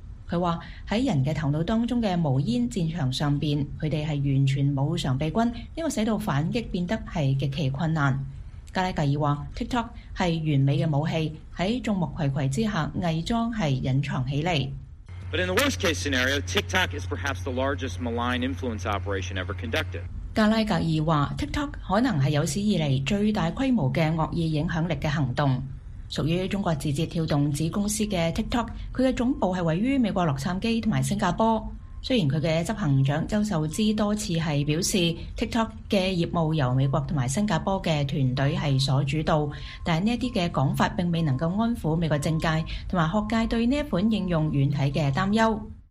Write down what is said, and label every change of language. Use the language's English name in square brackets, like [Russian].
[Chinese] 他说在人的头脑当中的无烟战场上面，他们是完全没有常备军，这个使到反击变得是极其困难。加拉格尔说 TikTok 是完美的武器，在众目睽睽之下伪装是隐藏起来。 [English] But in the worst case scenario, TikTok is perhaps the largest malign influence operation ever conducted. [Chinese] 加拉格尔说 TikTok 可能是有史以来最大规模的恶意影响力的行动。属于中国字节跳动子公司的 TikTok， 它的总部是位于美国洛杉矶和新加坡。虽然他的执行长周受资多次是表示 TikTok 的业务由美国和新加坡的团队是所主导，但这些说法并未能够安抚美国政界和学界对这款应用软体的担忧。